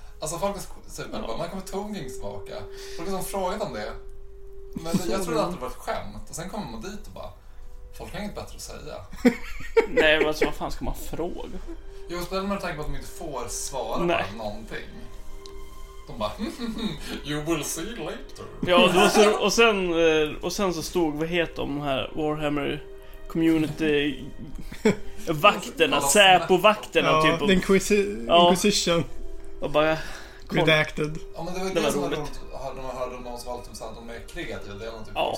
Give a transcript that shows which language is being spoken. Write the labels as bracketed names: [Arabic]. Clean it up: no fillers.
[Swedish] Alltså folk är super, bara, när kommer Tongin tillbaka? Folk har frågat om det. Men jag trodde att det var ett skämt. Och sen kommer man dit och bara, folk har inget bättre att säga. Nej, men alltså, vad fan ska man fråga? Jo, spelar man tanke på att de inte får svara Nej. På någonting. De bara, [English] you will see later. [Swedish] Ja, och sen så stod, vad heter de här Warhammer community vakterna, Säpo-vakterna, ja, typ. Inquisition. Ja. Och bara, [English] redacted. [Swedish] Ja, men det var ju det som man hörde om någon som var alltid att de är kreativa delen, typ, ja.